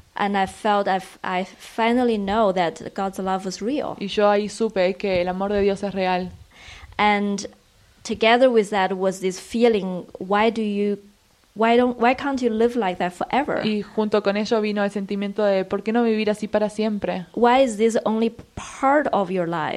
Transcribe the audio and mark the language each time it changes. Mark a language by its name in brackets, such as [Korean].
[English] And I felt I finally know that God's love was real. [Spanish] Y yo ahí supe que el amor de Dios es real. [English] And together with that was this feeling, why can't you live like that forever? [Spanish] Y junto con ello vino el sentimiento de ¿por qué no vivir así para siempre? [English] Why is this only part of your life?